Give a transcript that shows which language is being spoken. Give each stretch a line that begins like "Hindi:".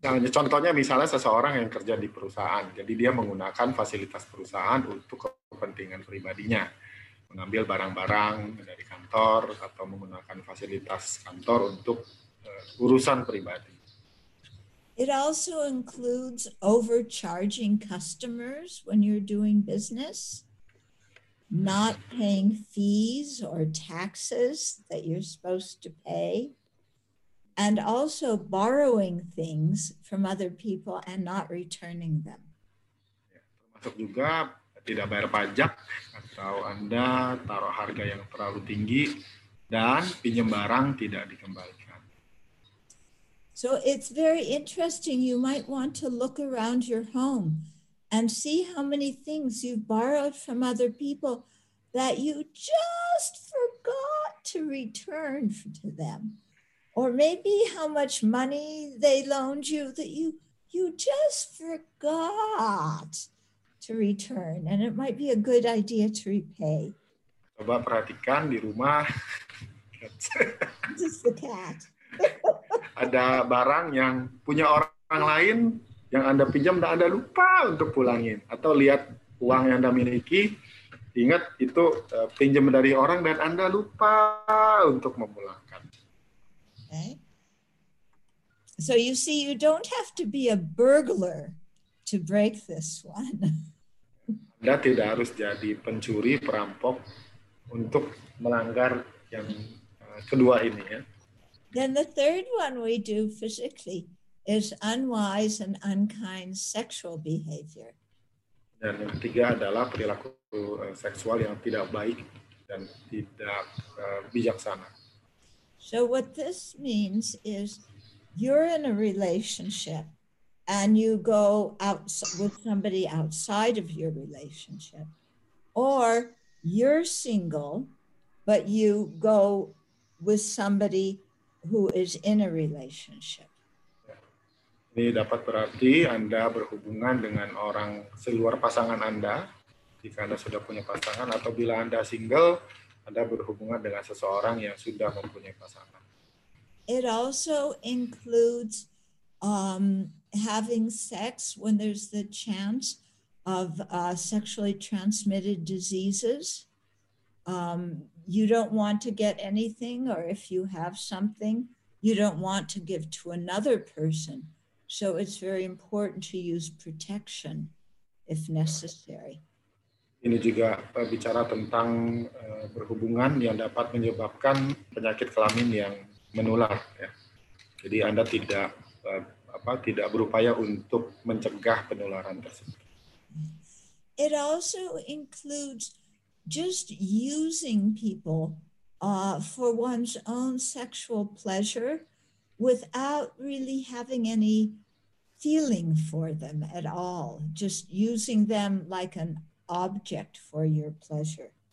Indonesian: Contohnya misalnya seseorang yang kerja di perusahaan, jadi dia menggunakan fasilitas perusahaan untuk kepentingan pribadinya, mengambil barang-barang dari kantor atau menggunakan fasilitas kantor untuk urusan pribadi.
English: It also includes overcharging customers when you're doing business, not paying fees or taxes that you're supposed to pay. And also borrowing things from other people and not returning them.
Indonesian: Termasuk juga tidak bayar pajak atau Anda taruh harga yang terlalu tinggi dan pinjam barang tidak dikembalikan.
English: So it's very interesting. You might want to look around your home and see how many things you've borrowed from other people that you just forgot to return to them. Or maybe how much money they loaned you that you just forgot to return, and it might be a good idea to repay.
Indonesian: Coba perhatikan di rumah.
English: Just the cat.
Indonesian: Ada barang yang punya orang lain yang Anda pinjam dan Anda lupa untuk pulangin, atau lihat uang yang Anda miliki, ingat itu pinjam dari orang dan Anda lupa untuk memulangkan.
English: Okay. So you see, you don't have to be a burglar to break this one.
Indonesian: Anda tidak harus jadi pencuri, perampok untuk melanggar yang kedua ini, ya.
English: Then the third one we do physically is unwise and unkind sexual behavior.
Indonesian: Dan yang ketiga adalah perilaku seksual yang tidak baik dan tidak bijaksana.
English: So what this means is you're in a relationship and you go out with somebody outside of your relationship, or you're single but you go with somebody who is in a relationship.
Indonesian: Ini dapat berarti Anda berhubungan dengan orang seluar pasangan Anda jika Anda sudah punya pasangan, atau bila Anda single Anda berhubungan dengan seseorang yang sudah mempunyai pasangan.
English: It also includes having sex when there's the chance of sexually transmitted diseases. You don't want to get anything, or if you have something, you don't want to give to another person. So it's very important to use protection if necessary.
Indonesian: Ini juga bicara tentang berhubungan yang dapat menyebabkan penyakit kelamin yang menular. Ya. Jadi Anda tidak tidak berupaya untuk mencegah penularan tersebut.
English: It also includes just using people for one's own sexual pleasure without really having any feeling for them at all. Just using them like an object for your pleasure.